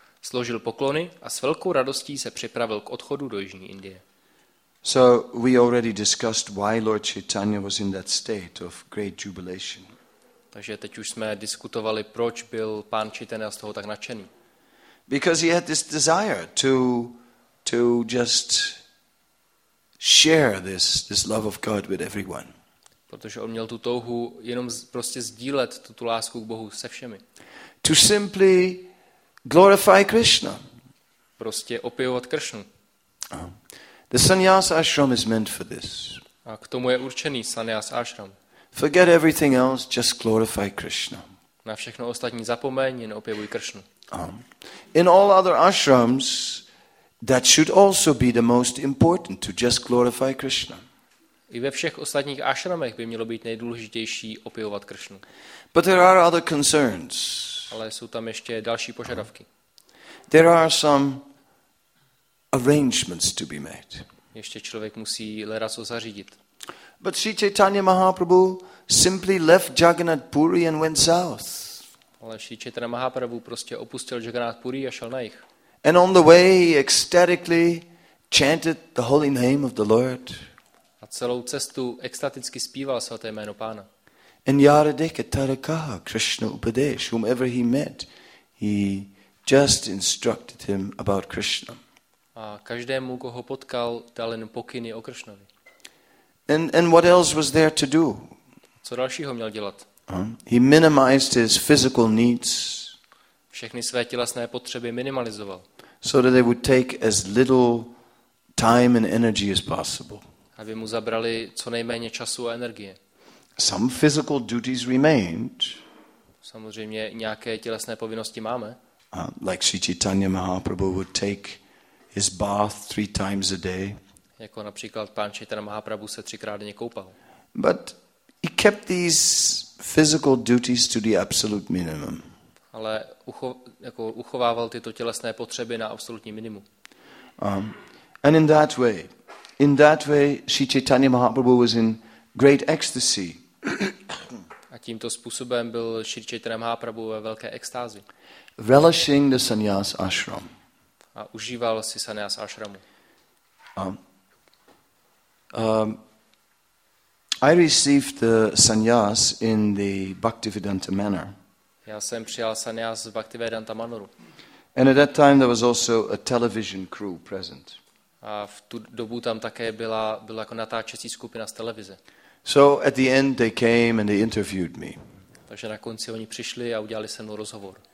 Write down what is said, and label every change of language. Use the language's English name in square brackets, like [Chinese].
[Czech] Složil poklony a s velkou radostí se připravil k odchodu do jižní Indie. [English] So we already discussed why Lord Chaitanya was in that state of great jubilation. [Czech] Takže teď už jsme diskutovali, proč byl pán Chaitanya z toho tak nadšený. [English] Because he had this desire to just share this love of God with everyone. [Czech] Protože on měl tu touhu jenom prostě sdílet tu lásku k Bohu se všemi. [English] To simply glorify Krishna. [Czech] Prostě opěvovat Kršnu. [English] The sannyas ashram is meant for this. [Czech] A k tomu je určený sannyas ashram. [English] Forget everything else, just glorify Krishna. [Czech] Na všechno ostatní zapomeň, jen opěvuj Kršnu. [English] In all other ashrams, that should also be the most important, to just glorify Krishna. [Czech] I ve všech ostatních ashramech by mělo být nejdůležitější opěvovat Kršnu. [English] But there are other concerns. [Czech] Ale jsou tam ještě další požadavky. [English] There are some arrangements to be made. [Czech] Ještě člověk musí leraco zařídit. [English] But Sri Chaitanya Mahaprabhu simply left Jagannath Puri and went south. [Czech] Ale Sri Chaitanya Mahaprabhu prostě opustil Jagannath Puri a šel na jih. [English] And on the way he ecstatically chanted the holy name of the Lord. [Czech] A celou cestu extaticky zpíval svaté jméno pána. [English] And [Bangla] Yaradeka Tarakaha Krishna Upadesh, [English] whomever he met, he just instructed him about Krishna. [Czech] A každému, koho potkal, dal jen pokyny o Kršnovi. [English] And what else was there to do? [Czech] Co dalšího měl dělat? [English] He minimized his physical needs. [Czech] Všechny své tělesné potřeby minimalizoval. [English] So that they would take as little time and energy as possible. [Czech] Aby mu zabrali co nejméně času a energie. [English] Some physical duties remained. [Czech] Samozřejmě nějaké tělesné povinnosti máme. [English] Like Sri Chaitanya Mahaprabhu would take his bath 3 times a day. [Czech] Jako například pán Chaitanya Mahaprabhu se 3x denně koupal. [English] But he kept these physical duties to the absolute minimum. [Czech] Ale uchovával tyto tělesné potřeby na absolutní minimum. [English] And in that way Sri Chaitanya Mahaprabhu was in great ecstasy. [Czech] A tímto způsobem byl Sri Chaitanya Mahaprabhu ve velké extázi. [English] Relishing the sannyas ashram. [Czech] A užíval si sannyas ashramu. [English] I received the sannyas in the Bhaktivedanta manner. [Czech] Já jsem přijal sannyas v Bhaktivedanta manoru. [English] And at that time there was also a television crew present. [Czech] A v tu dobu tam také byla jako natáčecí skupina z televize. [English] So at the end they came and they interviewed me. [Czech] Takže na konci oni přišli a udělali se mnou rozhovor.